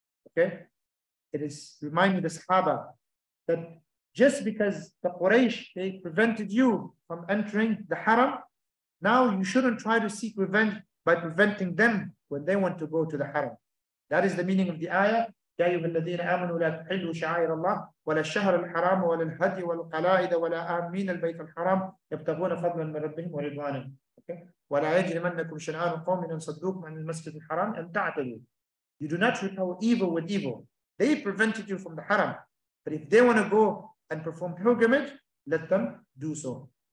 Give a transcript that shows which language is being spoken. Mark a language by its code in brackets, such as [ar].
[en] Okay, it is reminding the Sahaba that just because the Quraysh, they prevented you from entering the Haram, now you shouldn't try to seek revenge by preventing them when they want to go to the Haram. That is the meaning of the ayah. [ar] يا أيها الذين آمنوا لا تحلوا شعائر الله ولا الشهر الحرام ولا الهدي ولا القلائد ولا آمين البيت الحرام يبتغون فضلا من ربهم ورضوانا. ولا يجرمنكم شنآن قوم أن صدوكم عن المسجد الحرام أن تعتدوا. [en] You do not repel evil with evil. They prevented you from the haram. But if they want to go and perform pilgrimage, let them do so.